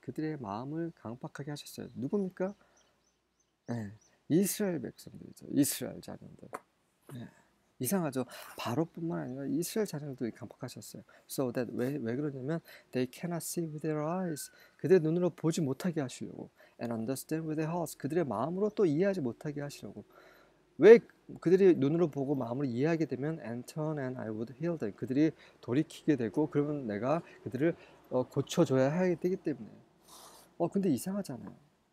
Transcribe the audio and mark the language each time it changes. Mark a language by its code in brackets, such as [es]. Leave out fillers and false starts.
[ko] 그들의 마음을 강팍하게 하셨어요. 누굽니까? 네, 이스라엘 백성들이죠. 이스라엘 자녀들. 네. 이상하죠. 바로뿐만 아니라 이스라엘 자녀들도 강팍하셨어요. [en] So that [ko] 왜 그러냐면 [en] they cannot see with their eyes. [ko] 그들의 눈으로 보지 못하게 하시려고. [en] And understand with their hearts. [ko] 그들의 마음으로 또 이해하지 못하게 하시려고. 왜 그들이 눈으로 보고 마음으로 이해하게 되면 [en] and turn and I would heal them. [ko] 그들이 돌이키게 되고 그러면 내가 그들을 고쳐줘야 하게 되기 때문에. 근데 이상하잖아요.